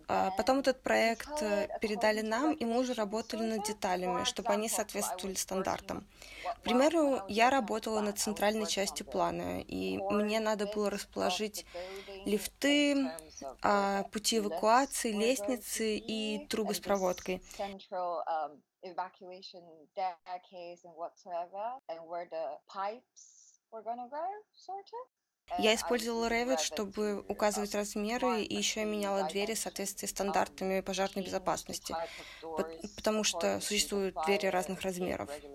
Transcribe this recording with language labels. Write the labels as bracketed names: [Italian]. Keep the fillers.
[Russian] Потом этот проект передали нам, и мы уже работали над деталями, чтобы они соответствовали стандартам. К примеру, я работала над центральной частью плана, и мне надо было расположить лифты, пути эвакуации, лестницы и трубы с проводкой [English] evacuation staircase and whatsoever, and where the pipes were gonna go, sort of. [Russian] Я использовала Revit, чтобы указывать размеры, и еще я меняла двери в соответствии с стандартами пожарной безопасности, потому что существуют двери разных размеров.